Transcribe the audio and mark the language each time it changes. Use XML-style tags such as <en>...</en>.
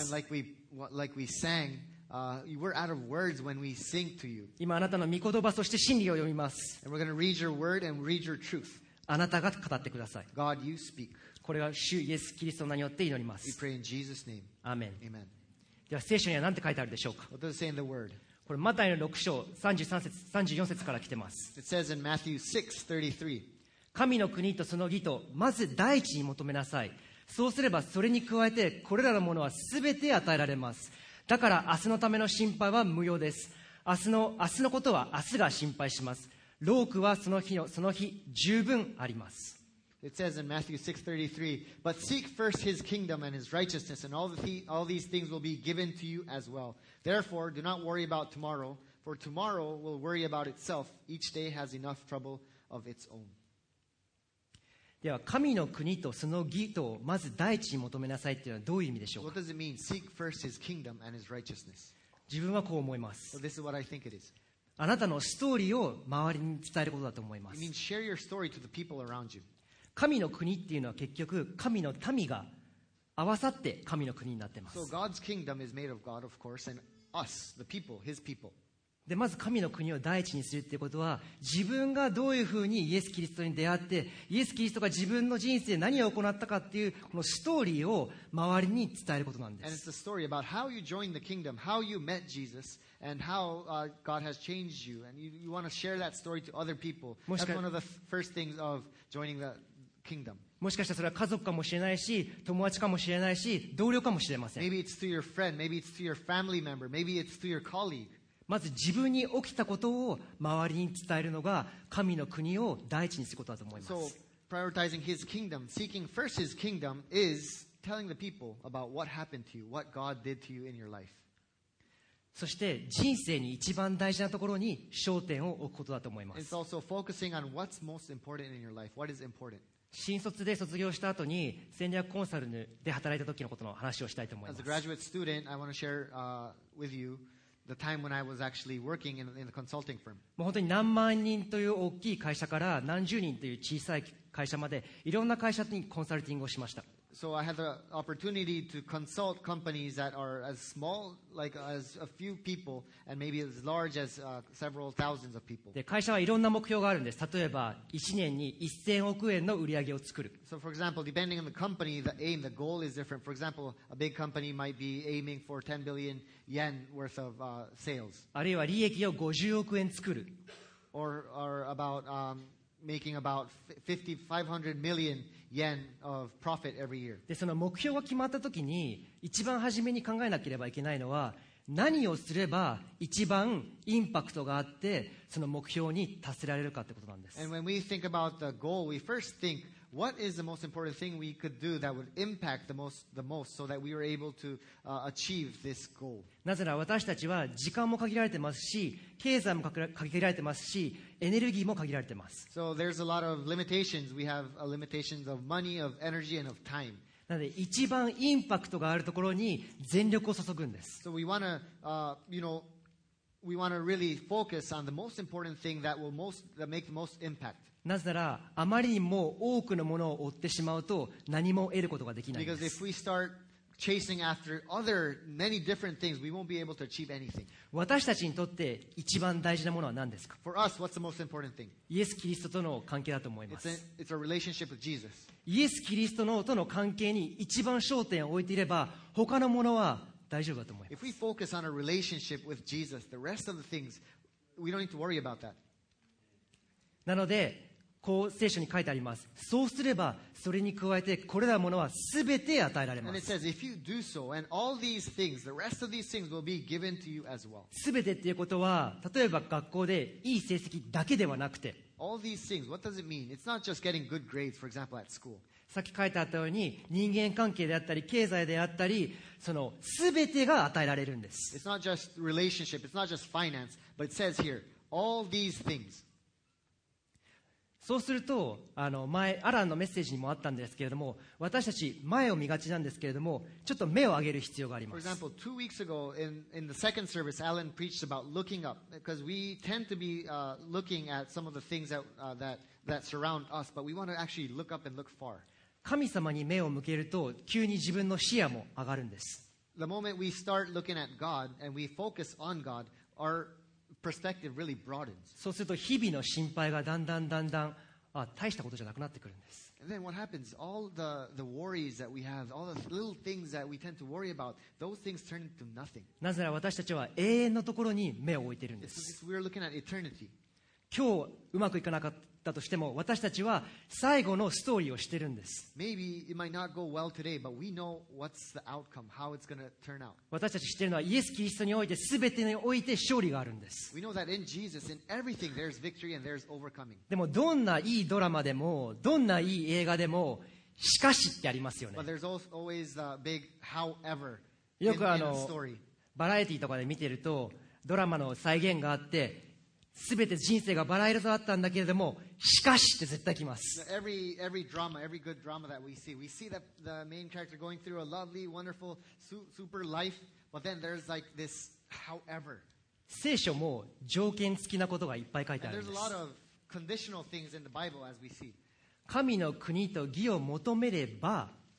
<en>And like we sang, we're out of words when we sing to you.</en> <ja>今あなたの御言葉そして真理を読みます。</ja> <en>And we're going to read your word and read your truth.</en> <ja>あなたが語ってください。</ja> <en>God, you speak.</en> <ja>これは主イエスキリストの名によって祈ります。</ja> <en>We pray in Jesus' name. Amen. Amen.</en> <ja>では聖書には何て書いてあるでしょうか。</ja> <en>What does it say in the word?</en> <ja>これマタイの6章33節34節から来てます。</ja> <en>It says in Matthew 6:33.</en> <ja>神の国とその義とまず第一に求めなさい。そうすればそれに加えてこれらのものはすべて与えられます。だから明日のための心配は無用です。明日のことは明日が心配します。労苦はその日十分あります。</ja> <en>It says in Matthew 6:33, But seek first his kingdom and his righteousness, and all these things will be given to you as well. Therefore, do not worry about tomorrow, for tomorrow will worry about itself. Each day has enough trouble of its own.</en> <ja>では神の国とその義とまず第一に求めなさいというのはどういう意味でしょうか?</ja> <en>What does it mean? Seek first his kingdom and his righteousness.</en> <ja>自分はこう思います。</ja> <en>So this is what I think it is.</en> <ja>あなたのストーリーを周りに伝えることだと思います。</ja> <en>It means share your story to the people around you.</en> <ja>神の国っていうのは結局神の民が合わさって神の国になってます。</ja> <en>So God's kingdom is made of God, of course, and us, the people, His people.</en> <ja>で、まず神の国を第一にするっていうことは、自分がどういうふうにイエス・キリストに出会って、イエス・キリストが自分の人生で何を行ったかっていうこのストーリーを周りに伝えることなんです。</ja> <en>And it's a story about how you joined the kingdom, how you met Jesus, and how God has changed you. And you want to share that story to other people. That's one of the first things of joining the.</en> <ja>もしかしたらそれは家族かもしれないし、友達かもしれないし、同僚かもしれません。</ja> <en>Maybe it's through your friend, maybe it's through your family member, maybe it's through your colleague.</en> <ja>まず自分に起きたことを周りに伝えるのが神の国を第一にすることだと思います。</ja> <en>So prioritizing his kingdom, seeking first his kingdom is telling the people about what happened to you, what God did to you in your life.</en> <ja>そして人生に一番大事なところに焦点を置くことだと思います。</ja> <en>It's also focusing on what's most important in your life, what is important.</en> <ja>新卒で卒業した後に戦略コンサルで働いた時のことの話をしたいと思います。</ja> <en>As a graduate student, I want to share with you the time when I was actually working in the consulting firm.</en> <ja>もう本当に何万人という大きい会社から何十人という小さい会社までいろんな会社にコンサルティングをしました。</ja> <en>So I had the opportunity to consult companies that are as small, like as a few people, and maybe as large as several thousands of people.</en> <ja>で、会社はいろんな目標があるんです。例えば、1年に1000億円の売り上げを作る。</ja> <en>So for example, depending on the company, the aim, the goal is different. For example, a big company might be aiming for 10 billion yen worth of sales.</en> <ja>あるいは利益を50億円作る。</ja> <en>Or about making about 500 million yen of profit every year.</en> <ja>で、その目標が決まったときに、一番初めに考えなければいけないのは、何をすれば一番インパクトがあって、その目標に達せられるかってことなんです。</ja> <en>And when we think about the goal, we first think, what is the most important thing we could do that would impact the most so that we were able to achieve this goal?</en> <ja>なぜなら私たちは時間も限られてますし、経済も限られてますし、エネルギーも限られてます。</ja> <en>So there's a lot of limitations. We have limitations of money, of energy, and of time.</en> <ja>なので一番インパクトがあるところに全力を注ぐんです。</ja> <en>So we want to, you know, we want to really focus on the most important thing that will make the most impact.</en> <ja>なぜならあまりにも多くのものを追ってしまうと何も得ることができないんです。</ja> <en>Because if we start chasing after other many different things, we won't be able to achieve anything.</en> <ja>私たちにとって一番大事なものは何ですか？</ja> <en>For us, what's the most important thing?</en> <ja>イエス・キリストとの関係だと思います。</ja> <en>It's a relationship with Jesus.</en> <ja>イエス・キリストとの関係に一番焦点を置いていれば他のものは大丈夫だと思います。</ja> <en>If we focus on a relationship with Jesus, the rest of the things, we don't need to worry about that.</en> <ja>なのでこう聖書に書いてあります。そうすればそれに加えてこれらものはすべて与えられます。</ja> <en>And it says, if you do so, and all these things, the rest of these things will be given to you as well.</en> <ja>すべてっていうことは例えば学校でいい成績だけではなくて、</ja> <en>all these things, what does it mean? It's not just getting good grades, for example, at school.</en> <ja>さっき書いてあったように人間関係であったり経済であったりそのすべてが与えられるんです。</ja> <en>It's not just relationship, it's not just finance, but it says here, all these things.</en> <ja>そうすると前アランのメッセージにもあったんですけれども私たち前を見がちなんですけれどもちょっと目を上げる必要があります。</ja> <en>For example, 2 weeks ago in the second service, Alan preached about looking up because we tend to be looking at some of the things that surround us, but we want to actually look up and look far.</en> <ja>神様に目を向けると急に自分の視野も上がるんです。</ja> <en>The moment we start looking at God and we focus on God, ourperspective really broadens.</en> <ja>そうすると日々の心配がだんだんだんだん大したことじゃなくなってくるんです。</ja> <en>And then what happens? All the worries that we have, all the little things that we tend to worry about, those things turn into nothing.</en> <ja>なぜなら私たちは永遠のところに目を置いているんです。</ja> <en>We're looking at eternity.</en> <ja>今日うまくいかなかったとしても私たちは最後のストーリーをしているんです。</ja> <en>Maybe it might not go well today, but we know what's the outcome, how it's going to turn out.</en> <ja>私たち知っているのはイエス・キリストにおいて全てにおいて勝利があるんです。</ja> <en>We know that in Jesus, in everything, there's victory and there's overcoming.</en> <ja>でもどんないいドラマでもどんないい映画でもしかしってありますよね。</ja> <en>But there's always a big however in the story.</en> <ja>よくバラエティとかで見てるとドラマの再現があって全て人生がバラ色だったんだけれどもしかしって絶対来ます。</ja> <en>every drama, every good drama that we see the main character going through a lovely, wonderful, super life, but then there's like this however.</en> <ja>聖書も条件付きなことがいっぱい書いてあるんです。</ja> <en>There's a lot of conditional things in the Bible as we see.</en> <ja>神の国と義を求めれば、</ja>